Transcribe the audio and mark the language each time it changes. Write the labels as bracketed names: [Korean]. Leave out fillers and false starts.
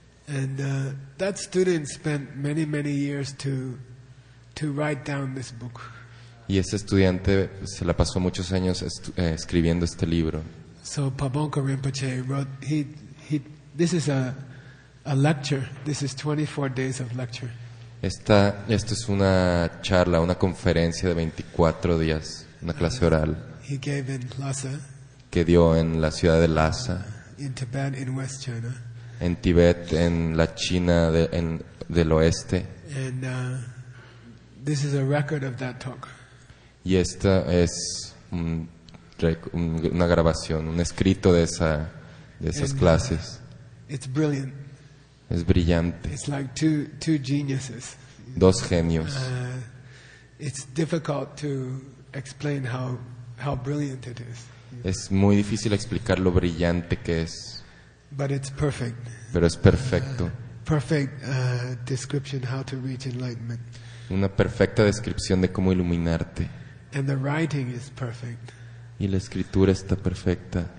[English] And that student spent many years to write down this book. [Spanish] Y ese estudiante se la pasó muchos años escribiendo este libro. [English] So Pabongka Rinpoche wrote. This is a lecture. This is 24 days of lecture. [Spanish] Esto es una charla, una conferencia de 24 días, una clase oral. [English] He gave in Lhasa. [Spanish] Que dio en la ciudad de Lhasa. [English] In Tibet, in West China. [Spanish] En Tibet, en la China del oeste. [English] And this is a record of that talk. [Spanish] Y esta es una grabación, un escrito de esas clases. [English] It's brilliant. [Spanish] Es brillante. [English] It's like two geniuses. [Spanish] Dos genios. [English] It's difficult to explain how brilliant it is. [Spanish] Es muy difícil explicar lo brillante que es. [English] But it's perfect. [Spanish] Pero es perfecto. [English] Perfect description how to reach enlightenment. [Spanish] Una perfecta descripción de cómo iluminarte. [English] And the writing is perfect. [Spanish] Y la escritura está perfecta.